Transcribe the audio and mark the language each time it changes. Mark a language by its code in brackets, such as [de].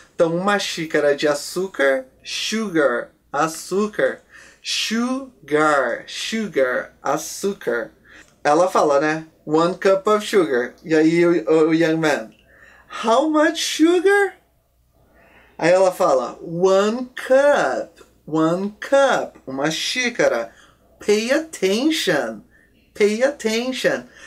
[pt] Então, 1 xícara de açúcar, sugar, açúcar, sugar, açúcar. Ela fala, né? [en] 1 cup of sugar. [pt] E aí, o [en] young man, how much sugar? [pt] Aí ela fala, 1 cup, 1 cup, 1 xícara. [en] Pay attention, pay attention.